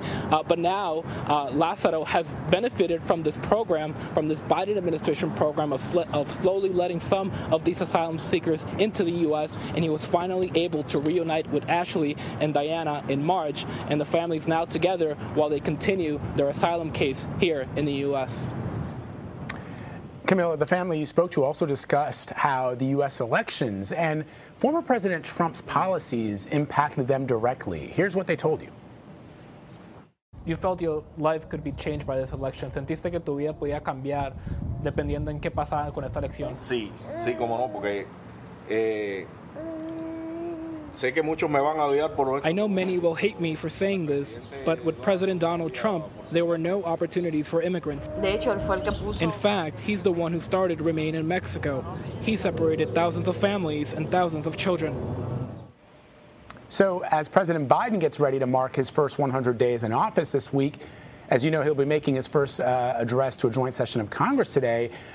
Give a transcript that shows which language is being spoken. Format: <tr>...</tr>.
<en>But now, Lazaro has benefited from this program, from this Biden administration program of slowly letting some of these asylum seekers into the U.S., and he was finally able to reunite with Ashley and Diana in March, and the family's now together while they continue their asylum case here in the U.S. Camilla, the family you spoke to also discussed how the U.S. elections and former President Trump's policies impacted them directly. Here's what they told you. You felt your life could be changed by this election.</en> <es>Sentiste que tu vida podía cambiar dependiendo en qué pasaba con esta elección. Sí, sí, cómo no, porque sé que muchos me van a odiar por esto.</es> <en>I know many will hate me for saying this, but with President Donald Trump, there were no opportunities for immigrants.</en> <es>De hecho, él fue el que puso.</es> <en>In fact, he's the one who started Remain in Mexico. He separated thousands of families and thousands of children. So as President Biden gets ready to mark his first 100 days in office this week, as you know, he'll be making his first address to a joint session of Congress today.</en>